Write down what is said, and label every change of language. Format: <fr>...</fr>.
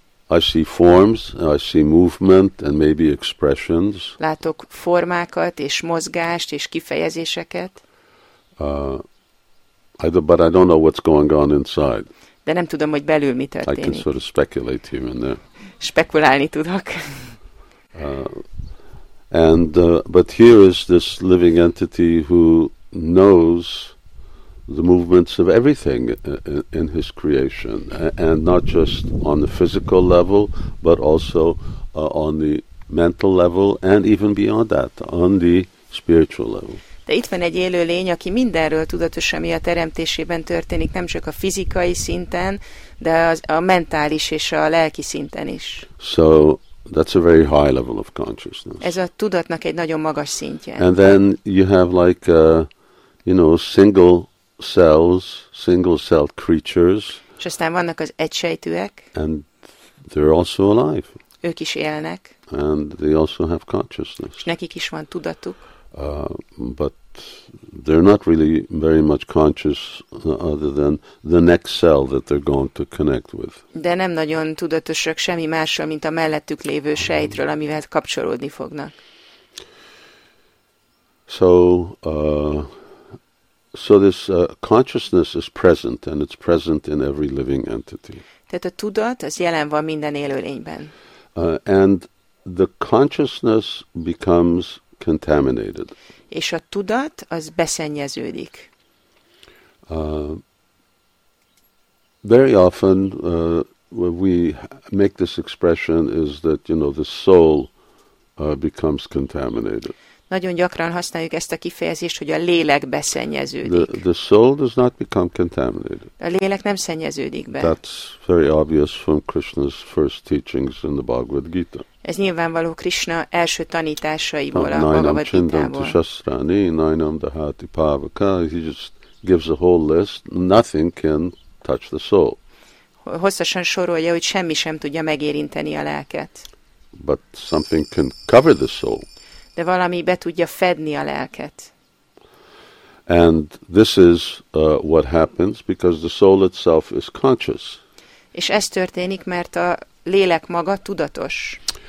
<en>I see forms, I see movement and maybe expressions.</en> <hu>Látok formákat és mozgást és kifejezéseket.</hu> <en>But I don't know what's going on inside.</en> <hu>De nem tudom, hogy belül mi történik.</hu> <en>I can sort of speculate here and there.</en> <hu>Spekulálni tudok.</hu> <en>But here is this living entity who knows the movements of everything in his creation, and not just on the physical level, but also on the mental level, and even beyond that, on the spiritual level.</en> <hu>De itt van egy élő lény, aki mindenről tudatos, ami a teremtésében történik, nem csak a fizikai szinten, de a mentális és a lelki szinten is.</hu> <en>So that's a very high level of consciousness.</en> <hu>Ez a tudatnak egy nagyon magas szintje.</hu> <en>And then you have like single-celled creatures.</en> <hu>És aztán vannak az egysejtűek.</hu> <en>And they're also alive.</en> <hu>Ők is élnek.</hu> <en>And they also have consciousness.</en> <hu>És nekik is van tudatuk.</hu> <en>But they're not really very much conscious other than the next cell that they're going to connect with.</en> <hu>De nem nagyon tudatosak semmi másról, mint a mellettük lévő sejtről, amivel kapcsolódni fognak.</hu> <en>So So this consciousness is present, and it's present in every living entity.</en> <hu>Tehát a tudat, az jelen van minden élő lényben.</hu> <en>And the consciousness becomes contaminated.</en> <hu>És a tudat, az beszennyeződik.</hu> <en>Very often, when we make this expression, is that, you know, the soul becomes contaminated.</en> <hu>Nagyon gyakran használjuk ezt a kifejezést, hogy a lélek beszennyeződik.</hu> <en>The soul does not become contaminated.</en> <hu>A lélek nem szennyeződik be.</hu> <en>That's very obvious from Krishna's first teachings in the Bhagavad Gita.</en> <hu>Ez nyilvánvaló Krishna első tanításaiból, a Bhagavad Gita-ból.</hu> <sa>Nainam shastrani, nainam dahati pavaka.</sa> <en>He just gives a whole list. Nothing can touch the soul.</en> <hu>Hosszasan sorolja, hogy semmi sem tudja megérinteni a lelket.</hu> <en>But something can cover the soul.</en> <hu>De valami be tudja fedni a lelket.</hu> <en>And this is what happens because the soul itself is conscious.</en> <hu>És ez történik, mert a lélek maga tudatos.</hu>